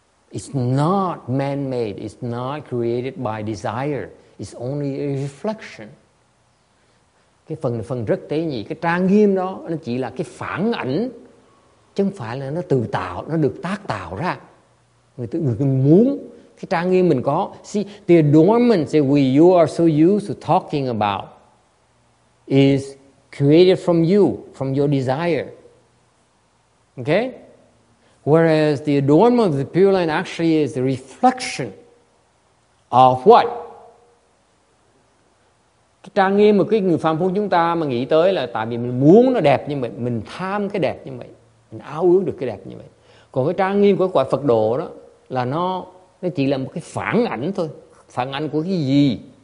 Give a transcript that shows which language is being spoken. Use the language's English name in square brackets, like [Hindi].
[English] It's not man-made. It's not created by desire. It's only a reflection. [Vietnamese] Cái phần rất tế nhị, cái trang nghiêm đó nó chỉ là cái phản ảnh, chứ không phải là nó tự tạo, nó được tác tạo ra. Người muốn cái trang nghiêm mình có. [English] See, the adornments that we, you are so used to talking about is created from you, from your desire. Okay? Whereas the adornment of the Pure Land actually is the reflection of what? [Vietnamese] Cái trang nghiêm mà cái người phàm phu chúng ta mà nghĩ tới là tại vì mình muốn nó đẹp như vậy, mình tham cái đẹp như vậy, mình ao ước được cái đẹp như vậy. Còn cái trang nghiêm của quả Phật độ đó là nó chỉ là một cái phản ảnh thôi. Phản ảnh của cái gì?